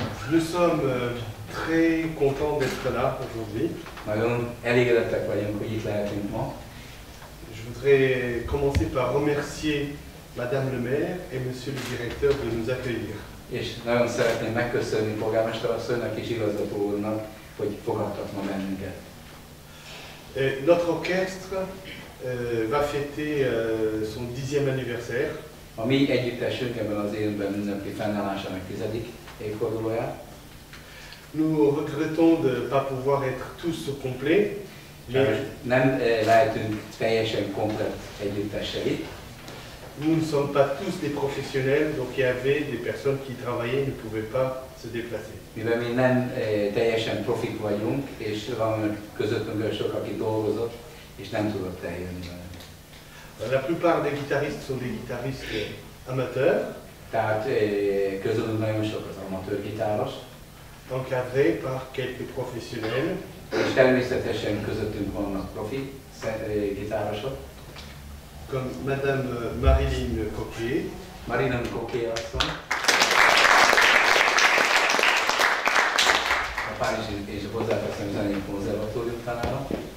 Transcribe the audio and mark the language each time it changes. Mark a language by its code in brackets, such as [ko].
[fr] Nous sommes très contents d'être là aujourd'hui. [hu] Nagyon elégedettek vagyunk, hogy itt lehetünk ma. [fr] Je voudrais commencer par remercier madame le maire et monsieur le directeur de nous accueillir. [hu] És nagyon szeretném megköszönni polgármester asszonynak és igazgató úrnak, hogy fogadtak ma bennünket. [fr] Notre orchestre va fêter son 10e anniversaire. [hu] A mi együttesünk ebben az évben ünnepli fennállásának 10. évfordulóját. [fr] Nous regrettons de pas pouvoir être tous au complet. [hu] Mais nem lehetünk teljesen komplett együttesei. [fr] Nous ne sommes pas tous des professionnels, donc il y avait des personnes qui travaillaient et ne pouvaient pas se déplacer. [hu] Mivel mi nem teljesen profik vagyunk, és van közöttünk sok, aki dolgozott, és nem tudott eljönni. [fr] La plupart des guitaristes sont des guitaristes amateurs. [hu] Tehát közülünk nagyon sok az amatőr gitáros. [fr] Encadré par quelques professionnels. [hu] És természetesen közöttünk vannak profi gitárosok. [fr] Comme madame Marilyn Coquet. [hu] Marilyn Coquet asszony. A párizsi és hozzáteszem zenei konzervatórium tanára.